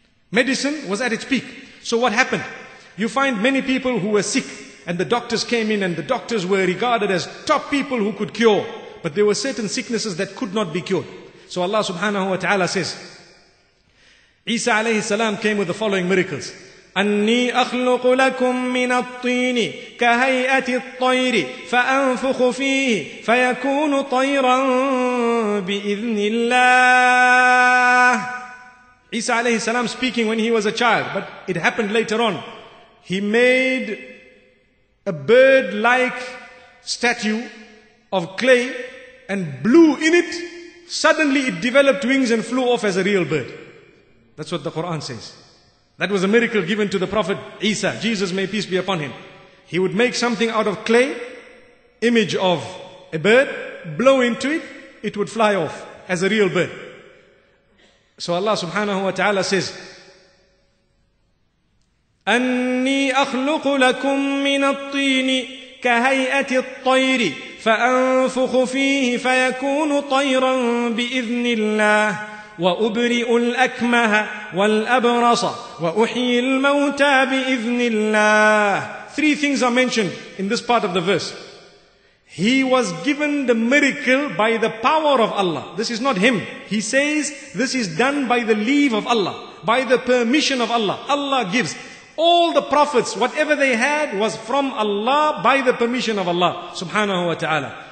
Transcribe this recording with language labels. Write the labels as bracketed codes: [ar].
[en] Medicine was at its peak. So what happened? You find many people who were sick. And the doctors came in and the doctors were regarded as top people who could cure. But there were certain sicknesses that could not be cured. So Allah subhanahu wa ta'ala says, Isa alayhi salam came with the following miracles. [ar] أني أخلق لكم من الطين كهيئة الطير فأنفخ فيه فيكون طيرا بإذن الله. [en] Isa alayhi salam speaking when he was a child, but it happened later on. He made a bird-like statue of clay and blew in it. Suddenly it developed wings and flew off as a real bird. That's what the Quran says. That was a miracle given to the Prophet Isa. Jesus may peace be upon him. He would make something out of clay, image of a bird, blow into it, it would fly off as a real bird. So Allah subhanahu wa ta'ala says, [ar] أني أخلق لكم من الطين كهيئة الطير فأنفخ فيه فيكون طيرا بإذن الله وأبرئ الأكمه والأبرص وأحيي الموتى بإذن الله. [en] Three things are mentioned in this part of the verse. He was given the miracle by the power of Allah. This is not him. He says this is done by the leave of Allah, by the permission of Allah. Allah gives. All the prophets, whatever they had, was from Allah by the permission of Allah subhanahu wa ta'ala.